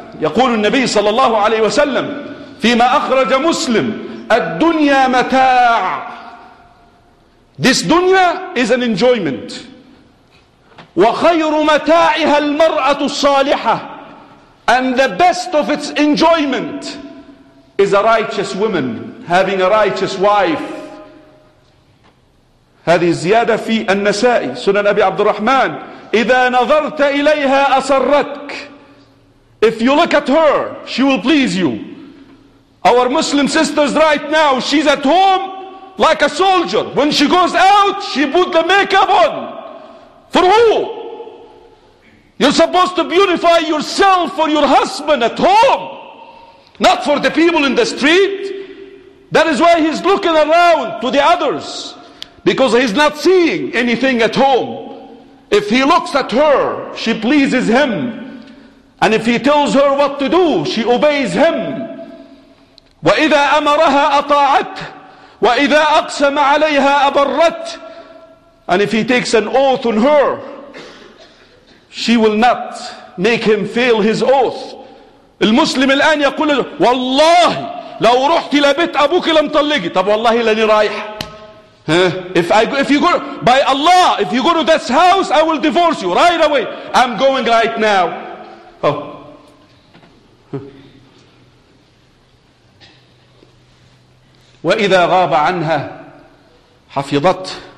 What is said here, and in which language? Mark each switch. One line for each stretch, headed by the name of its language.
Arabic: يقول النبي صلى الله عليه وسلم فيما أخرج مسلم الدنيا متاع.
English: This dunya is an enjoyment.
Arabic: وخير متاعها المرأة الصالحة.
English: And the best of its enjoyment is a righteous woman having a righteous wife.
Arabic: هذه الزيادة في النسائي سنن أبي عبد الرحمن. إذا نظرت إليها أسرتك.
English: If you look at her, she will please you. Our Muslim sisters right now, she's at home like a soldier. When she goes out, she put the makeup on. For who? You're supposed to beautify yourself for your husband at home, not for the people in the street. That is why he's looking around to the others, because he's not seeing anything at home. If he looks at her, she pleases him. And if he tells her what to do, she obeys him.
Arabic: وَإِذَا أَمَرَهَا أَطَاعَتْ وَإِذَا أَقْسَمَ عَلَيْهَا أَبَرَّتْ.
English: And if he takes an oath on her, she will not make him fail his oath.
Arabic: المسلم الآن يقول والله لو رحت لبيت أبوك لم طلقي. طب والله لاني رايح.
English: If you go, by Allah, if you go to this house, I will divorce you right away. I'm going right now.
Arabic: وَإِذَا غَابَ عَنْهَا حَفِظَتْ.